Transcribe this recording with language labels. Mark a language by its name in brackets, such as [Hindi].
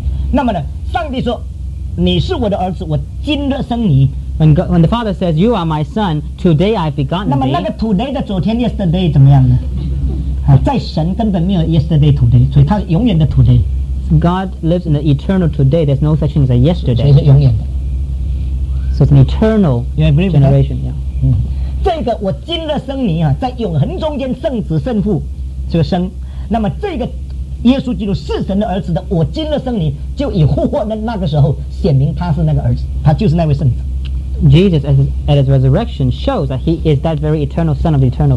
[Chinese] 那么呢，上帝说，你是我的儿子，我今日生你。 [English] When the Father says, "You are my son," today I've begotten thee. [Chinese] 那么那个 today 的昨天 yesterday 怎么样呢？在神根本没有 yesterday today， 所以他永远的 today。 [English] God lives in the eternal today. There's no such thing as a yesterday. [Chinese] 所以是永远的。 [English] So it's an eternal generation. Yeah. [Chinese] 这个我今日生你啊，在永恒中间，圣子圣父这个生。那么这个耶稣基督是神的儿子的，我今日生你，就以复活的那个时候显明他是那个儿子，他就是那位圣子。 [English] Jesus at his resurrection shows that he is that very eternal Son of the eternal Father.